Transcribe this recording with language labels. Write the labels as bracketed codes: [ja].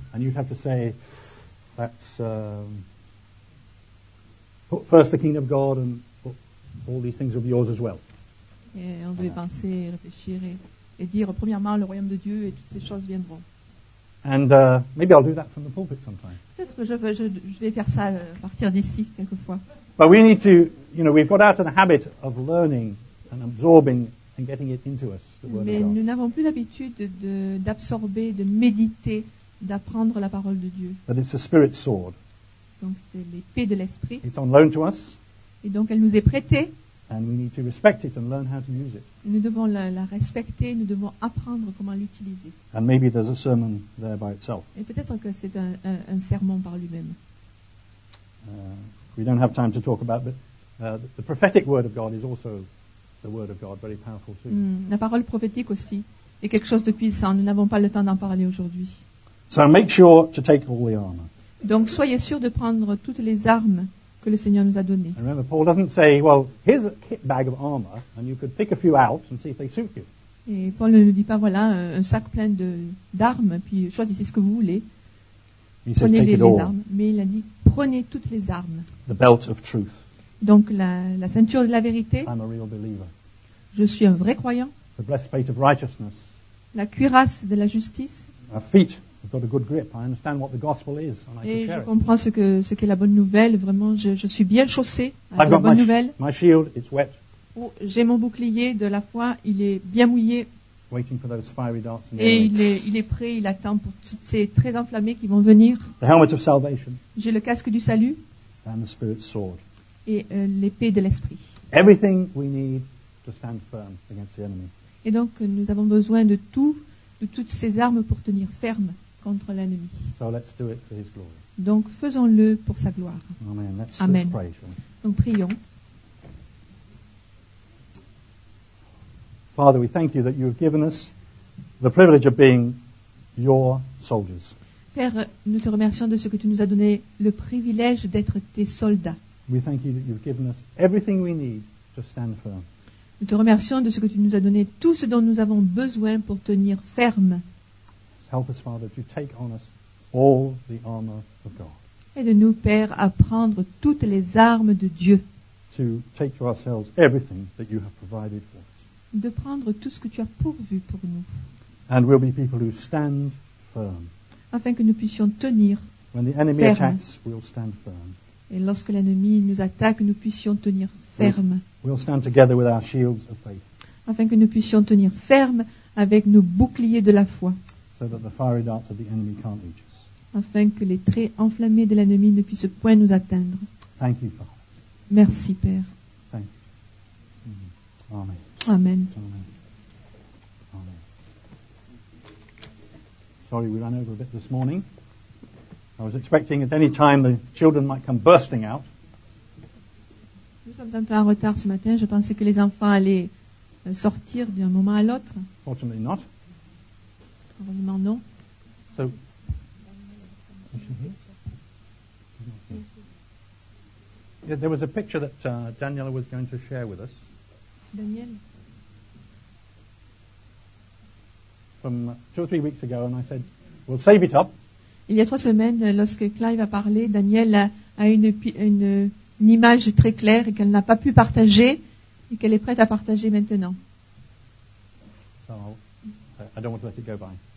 [en] And you'd have to say that's put first the kingdom of God and all these things will be yours as well. [fr] Et on devait penser, réfléchir et dire premièrement le royaume de Dieu et toutes ces choses viendront. [en] And maybe I'll do that from the pulpit sometime. [fr] Peut-être que je vais faire ça à partir d'ici quelquefois. [en] But we need to, you know, we've got out of the habit of learning and absorbing and getting it into us. [fr] Mais nous n'avons plus l'habitude d'absorber, de méditer, d'apprendre la parole de Dieu. [en] But it's a spirit sword. [fr] Donc c'est l'épée de l'esprit. [en] It's on loan to us. [fr] Et donc elle nous est prêtée. [en] And we need to respect it and learn how to use it. [fr] Nous devons la respecter, nous devons apprendre comment l'utiliser. [en] And maybe there's a sermon there by itself. [fr] Et peut-être que c'est un sermon par lui-même. [en] We don't have time to talk about, but the prophetic word of God is also the word of God, very powerful too. [fr] La parole prophétique aussi est quelque chose de puissant. Nous n'avons pas le temps d'en parler aujourd'hui. [en] So make sure to take all the armor. [fr] Donc soyez sûr de prendre toutes les armes que le Seigneur nous a donné. [en] And remember, Paul doesn't say, well, here's a kit bag of armor, and you could pick a few out and see if they suit you. [fr] Et Paul ne nous dit pas, voilà, un sac plein d'armes, puis choisissez ce que vous voulez. [en] He says, take it all. [fr] Mais il a dit, prenez toutes les armes. [en] The belt of truth. [fr] Donc la ceinture de la vérité. [en] I'm a real believer. [fr] Je suis un vrai croyant. [en] The breastplate of righteousness. [fr] La cuirasse de la justice. [en] Our feet. I've got a good grip. I understand what the gospel is, and I can share it. [fr] Et je comprends ce qu'est la bonne nouvelle. Vraiment, je suis bien chaussé à la bonne nouvelle. [en] My shield, it's wet. [fr] Oh, j'ai mon bouclier de la foi. Il est bien mouillé. [en] Waiting for those fiery darts. [fr] Et il est prêt. Il attend pour toutes ces très enflammées qui vont venir. [en] The helmet of salvation. [fr] J'ai le casque du salut. [en] And the spirit's sword. [fr] Et l'épée de l'esprit. [en] Everything we need to stand firm against the enemy. [fr] Et donc nous avons besoin de tout, de toutes ces armes pour tenir ferme. Contre l'ennemi. [en] So let's do it for his glory. [fr] Donc faisons-le pour sa gloire. [en] Amen. [fr] Amen. [en] Pray, shall we? [fr] Donc prions. [en] Father, we thank you that you have given us the privilege of being your soldiers. [fr] Père, nous te remercions de ce que tu nous as donné le privilège d'être tes soldats. [en] We thank you that you've given us everything we need to stand firm. [fr] Nous te remercions de ce que tu nous as donné tout ce dont nous avons besoin pour tenir ferme. [en] Help us, Father, to take on us all the armor of God. [fr] Aide-nous, Père, à prendre toutes les armes de Dieu. [en] To take to ourselves everything that you have provided for us. [fr] De prendre tout ce que tu as pourvu pour nous. [en] And we'll be people who stand firm. [fr] Afin que nous puissions tenir [en] when the enemy [fr] ferme. [en] Attacks, we'll stand firm. [fr] Et lorsque l'ennemi nous attaque, nous puissions tenir ferme. [en] We'll stand together with our shields of faith. [fr] Afin que nous puissions tenir ferme avec nos boucliers de la foi. [en] So that the fiery darts of the enemy can't reach us. [fr] Afin que les traits enflammés de l'ennemi ne puissent point nous atteindre. [en] Thank you, Father. [fr] Merci, Père. [en] Thank you. Amen. Amen. Amen. Amen. Sorry, we ran over a bit this morning. I was expecting at any time the children might come bursting out. [fr] Nous sommes un peu en retard ce matin. Je pensais que les enfants allaient sortir d'un moment à l'autre. [en] Fortunately not. [fr] Heureusement non. [en] So, yeah, there was a picture that Daniela was going to share with us. Daniel. From 2 or 3 weeks ago, and I said, "We'll save it up." [fr] Il y a trois semaines, lorsque Clive a parlé, Daniel a une image très claire et qu'elle n'a pas pu partager et qu'elle est prête à partager maintenant. [en] So, I don't want to let it go by.